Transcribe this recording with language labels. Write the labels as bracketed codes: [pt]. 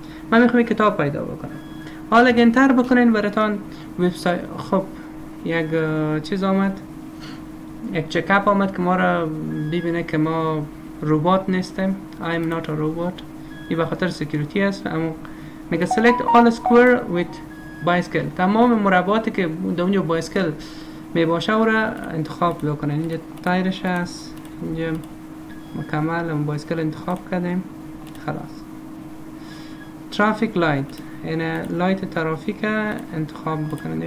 [fa] من میخوام یک کتاب پیدا بکنم. حالا اگه انتر بکنین براتون وبسایت، خب یک چیز آمد، یک چک اپ آمد که ما را ببینه که ما روبوت نیستم. [en] I am not a robot. [fa] این به خاطر سکیوریتی است. اما میگه [en] select all square with bicycle. [fa] تمام مرباتی که در اونجا بایسکل میباشه او را انتخاب بکنین. اینجا تایرش هست، اینجا مکمل اون بایسکل انتخاب کردیم. خلاص. traffic light، این لایت ترافیک انتخاب بکنن.